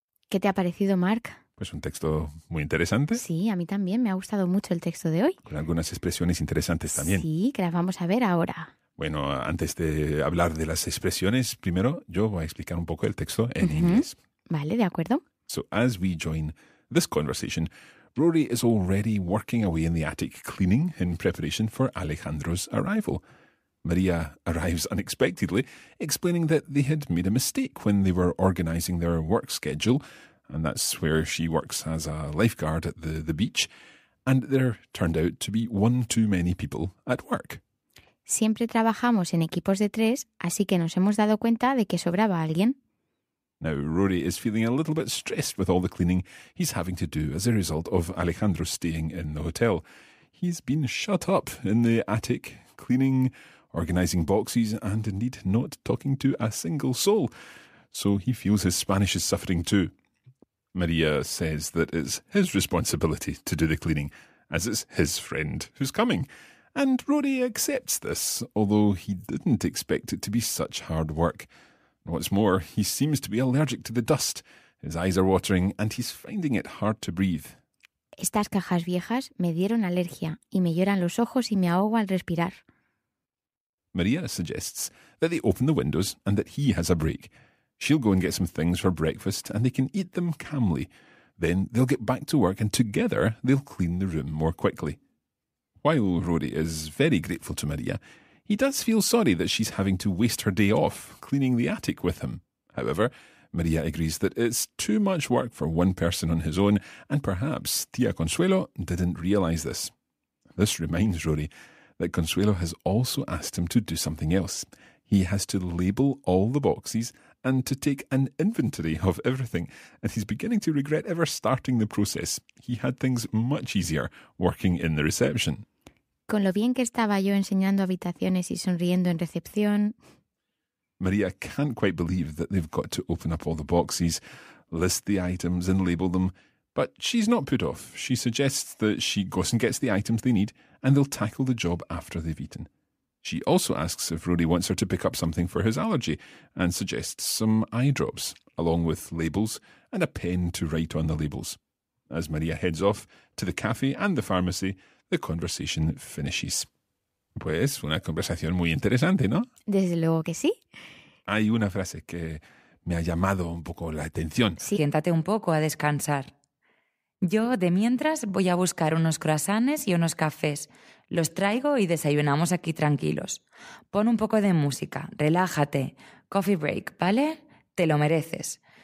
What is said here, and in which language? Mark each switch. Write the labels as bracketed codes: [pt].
[es] ¿Qué te ha parecido, Marc? Pues un texto muy interesante. Sí, a mí también me ha gustado mucho el texto de hoy. Con algunas expresiones interesantes también. Sí, que las vamos a ver ahora. Bueno, antes de hablar de las expresiones, primero yo voy a explicar un poco el texto en inglés. Vale, de acuerdo. [en] So as we join this conversation, Rory is already working away in the attic cleaning in preparation for Alejandro's arrival. Maria arrives unexpectedly, explaining that they had made a mistake when they were organizing their work schedule, and that's where she works as a lifeguard at the beach, and there turned out to be one too many people at work. [es] Siempre trabajamos en equipos de tres, así que nos hemos dado cuenta de que sobraba alguien. [en] Now, Rory is feeling a little bit stressed with all the cleaning he's having to do as a result of Alejandro staying in the hotel. He's been shut up in the attic, cleaning, organizing boxes, and indeed not talking to a single soul. So he feels his Spanish is suffering too. Maria says that it's his responsibility to do the cleaning, as it's his friend who's coming. And Rory accepts this, although he didn't expect it to be such hard work. What's more, he seems to be allergic to the dust. His eyes are watering and he's finding it hard to breathe. [es] Estas cajas viejas me dieron alergia y me lloran los ojos y me ahogo al respirar. [en] Maria suggests that they open the windows and that he has a break. She'll go and get some things for breakfast and they can eat them calmly. Then they'll get back to work and together they'll clean the room more quickly. While Rory is very grateful to Maria, he does feel sorry that she's having to waste her day off cleaning the attic with him. However, Maria agrees that it's too much work for one person on his own, and perhaps Tia Consuelo didn't realise this. This reminds Rory that Consuelo has also asked him to do something else. He has to label all the boxes and to take an inventory of everything, and he's beginning to regret ever starting the process. He had things much easier working in the reception. [es] Con lo bien que estaba yo enseñando habitaciones y sonriendo en recepción. [en] Maria can't quite believe that they've got to open up all the boxes, list the items and label them, but she's not put off. She suggests that she goes and gets the items they need and they'll tackle the job after they've eaten. She also asks if Rory wants her to pick up something for his allergy and suggests some eye drops, along with labels and a pen to write on the labels. As Maria heads off to the cafe and the pharmacy, the conversation finishes. [es] Pues una conversación muy interesante, ¿no? Desde luego que sí. Hay una frase que me ha llamado un poco la atención. Sí. Siéntate un poco a descansar. Yo, de mientras, voy a buscar unos croissants y unos cafés. Los traigo y desayunamos aquí tranquilos. Pon un poco de música, relájate, [en] coffee break, [es] ¿vale? Te lo mereces.